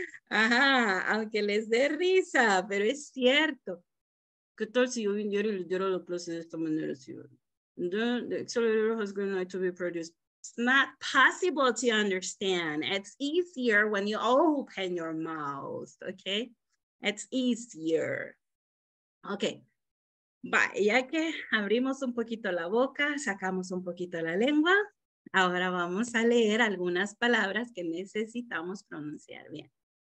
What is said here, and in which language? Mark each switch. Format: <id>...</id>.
<es>Ajá, aunque les dé risa, pero es cierto. ¿Qué tal si yo viniera y le diera la clase de esta manera?</es> <en>The accelerator has green light to be produced. It's not possible to understand. It's easier when you open your mouth, okay? It's easier. Okay.</en> <es>Va, ya que abrimos un poquito la boca, sacamos un poquito la lengua, ahora vamos a leer algunas palabras que necesitamos pronunciar bien.</es>